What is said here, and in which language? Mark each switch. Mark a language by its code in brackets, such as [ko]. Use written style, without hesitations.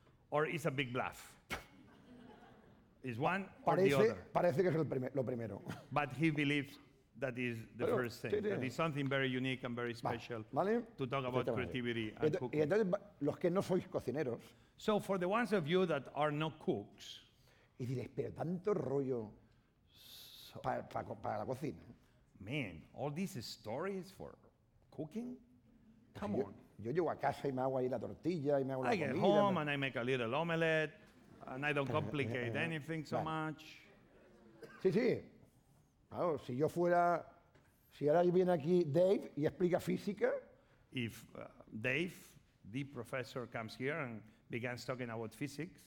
[en] Or it's a big bluff. It's one [es] parece, [en] or the other. [es] Parece que es lo primero. [en] But he believes that is the first thing. [es] Sí, sí. [en] That is something very unique and very special to talk about creativity and cooking. [es] Y entonces, los que no sois cocineros, [en] so for the ones of you that are not cooks, [es] y diréis, pero tanto rollo para la cocina. [en] Man, all these stories for cooking? Come on. [es] Yo llego a casa y me hago ahí la tortilla y me hago la comida. [en] I get home and I make a little omelette and I don't complicate anything so much. [es] Sí, sí. Claro, si ahora viene aquí Dave y explica física. [en] If Dave, the professor, comes here and begins talking about physics.